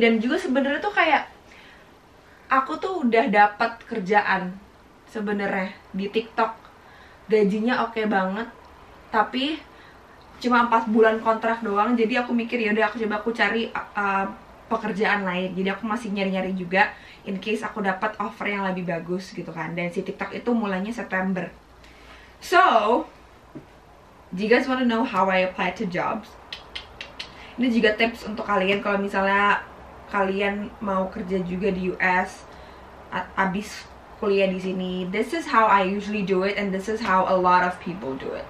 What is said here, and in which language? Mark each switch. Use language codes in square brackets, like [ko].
[id] Dan juga sebenarnya tuh kayak aku tuh udah dapat kerjaan sebenarnya di TikTok. Gajinya oke banget. Tapi cuma 4 bulan kontrak doang. Jadi aku mikir ya udah aku cari pekerjaan lain. Jadi aku masih nyari-nyari juga [en] in case [id] aku dapat offer yang lebih bagus gitu kan. Dan si TikTok itu mulainya September. [en] So, do you guys wanna know how I apply to jobs? [id] Ini juga tips untuk kalian kalau misalnya kalian mau kerja juga di US abis kuliah di sini. [en] This is how I usually do it and this is how a lot of people do it.